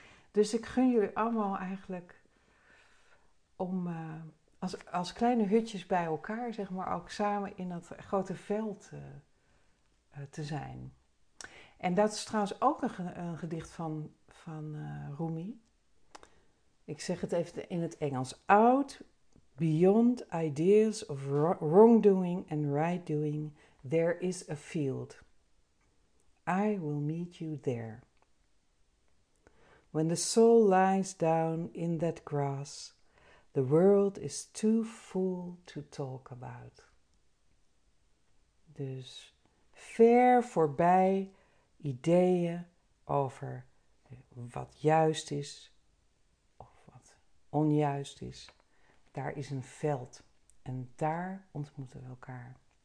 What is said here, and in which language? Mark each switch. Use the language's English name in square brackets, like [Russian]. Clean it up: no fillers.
[Dutch] Dus ik gun jullie allemaal eigenlijk om als kleine hutjes bij elkaar, zeg maar, ook samen in dat grote veld te zijn. En dat is trouwens ook een gedicht van Rumi. Ik zeg het even in het Engels. [English] Out beyond ideas of wrongdoing and rightdoing, there is a field. I will meet you there. When the soul lies down in that grass, the world is too full to talk about. [Dutch] Dus ver voorbij ideeën over wat juist is of wat onjuist is. Daar is een veld en daar ontmoeten we elkaar.